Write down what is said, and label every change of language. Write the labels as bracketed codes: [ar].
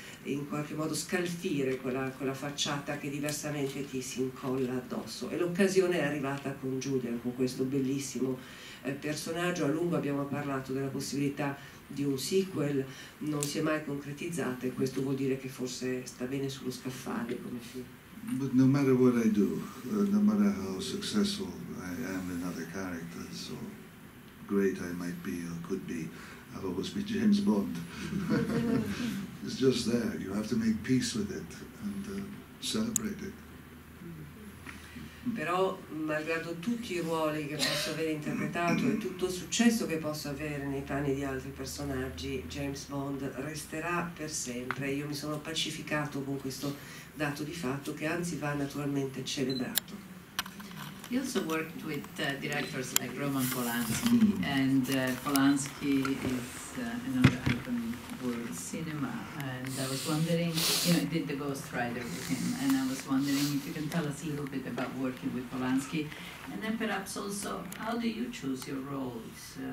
[it] in qualche modo scalfire quella facciata che diversamente ti si incolla addosso. E l'occasione è arrivata con Giulia, con questo bellissimo personaggio. A lungo abbiamo parlato della possibilità di un sequel, non si è mai concretizzata, e questo vuol dire che forse sta bene sullo scaffale come film. [en] But no matter what I do, no matter how successful I am in other characters, or great I might be or could be, I'll always be James Bond. It's just there. You have to make peace with it and celebrate it. [it] Però, malgrado tutti i ruoli che posso aver interpretato e tutto il successo che posso avere nei panni di altri personaggi, James Bond resterà per sempre. Io mi sono pacificato con questo dato di fatto, che anzi va naturalmente celebrato. [en] He also worked with directors like Roman Polanski, and Polanski is another icon for cinema. And I was wondering, you know, I did The Ghost Rider with him, and I was wondering if you can tell us a little bit about working with Polanski, and then perhaps also, how do you choose your roles?